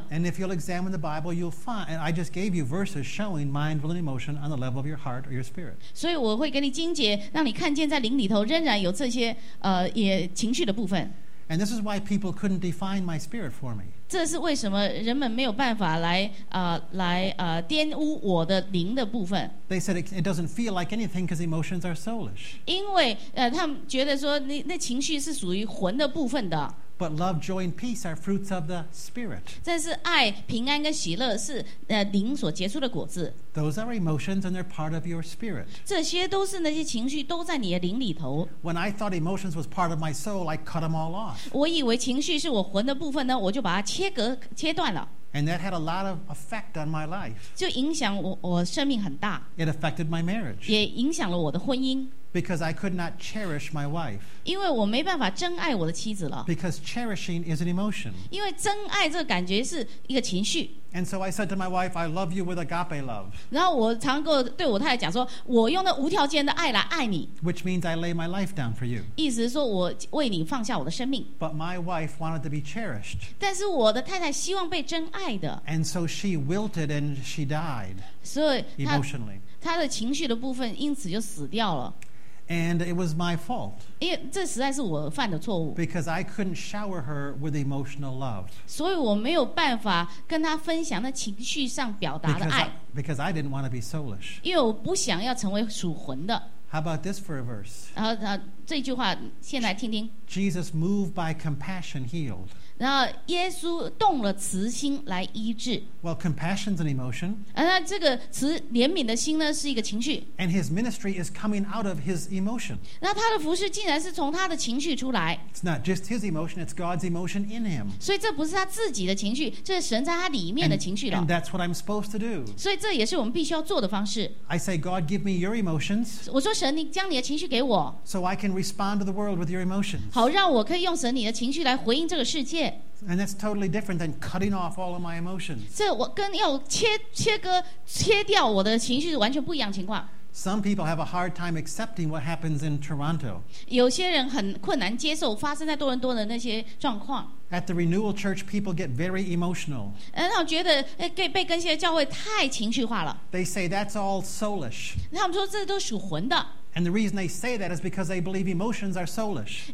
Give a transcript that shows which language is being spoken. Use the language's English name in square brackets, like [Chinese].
[English] And if you'll examine the Bible, you'll find, and I just gave you verses showing mind, will, and emotion on the level of your heart or your spirit. [Chinese] 所以我会给你经节，让你看见在灵里头仍然有这些也情绪的部分。 [English] And this is why people couldn't define my spirit for me. [Chinese] 这是为什么人们没有办法来玷污我的灵的部分。 [English] They said it doesn't feel like anything because emotions are soulish. [Chinese] 因为他们觉得说那情绪是属于魂的部分的。 [English] But love, joy, and peace are fruits of the spirit. [Chinese] 这是爱、平安跟喜乐是灵所结出的果子。 [English] Those are emotions and they're part of your spirit. [Chinese] 这些都是那些情绪都在你的灵里头。 [English] When I thought emotions was part of my soul, I cut them all off. [Chinese] 我以为情绪是我魂的部分呢，我就把它切断了。 [English] And that had a lot of effect on my life. [Chinese] 就影响我生命很大。 [English] It affected my marriage. [Chinese] 也影响了我的婚姻。 [English] Because I could not cherish my wife. [Chinese] 因为我没办法珍爱我的妻子了。 [English] Because cherishing is an emotion. [Chinese] 因为珍爱这个感觉是一个情绪。 [English] And so I said to my wife, I love you with agape love. [Chinese] 然后我常跟对我太太讲说，我用那无条件的爱来爱你。 [English] Which means I lay my life down for you. [Chinese] 意思是说我为你放下我的生命。 [English] But my wife wanted to be cherished. [Chinese] 但是我的太太希望被珍爱的。 [English] And so she wilted and she died. [Chinese] 所以 [English] emotionally, [Chinese] 她的情绪的部分因此就死掉了。 [English] And it was my fault. [Chinese] 因为这实在是我犯的错误。 [English] Because I couldn't shower her with emotional love. [Chinese] 所以我没有办法跟她分享那情绪上表达的爱。 [English] Because I didn't want to be soulish. [Chinese] 因为我不想要成为属魂的。 [English] How about this for a verse? [Chinese] 然后这句话先来听听。 [English] Jesus moved by compassion healed. [Chinese] 然后耶稣动了慈心来医治。 [English] Well, compassion's an emotion. [Chinese] 那这个慈怜悯的心呢是一个情绪。 [English] And his ministry is coming out of his emotion. [Chinese] 那他的服事竟然是从他的情绪出来。 [English] It's not just his emotion, it's God's emotion in him. [Chinese] 所以这不是他自己的情绪，这是神在他里面的情绪了。 [English] And that's what I'm supposed to do. [Chinese] 所以这也是我们必须要做的方式。 [English] I say, God, give me your emotions. [Chinese] 我说神，你将你的情绪给我。 [English] So I can respond to the world with your emotions. [Chinese] 好，让我可以用神你的情绪来回应这个世界。 [English] And that's totally different than cutting off all of my emotions. [Chinese] 这我跟要切掉我的情绪是完全不一样情况。 [English] Some people have a hard time accepting what happens in Toronto. [Chinese] 有些人很困难接受发生在多伦多的那些状况。 [English] At the Renewal Church, people get very emotional. [Chinese] 他们觉得被更新的教会太情绪化了。 [English] They say that's all soulish. [Chinese] 他们说这都属魂的。 [English] And the reason they say that is because they believe emotions are soulish.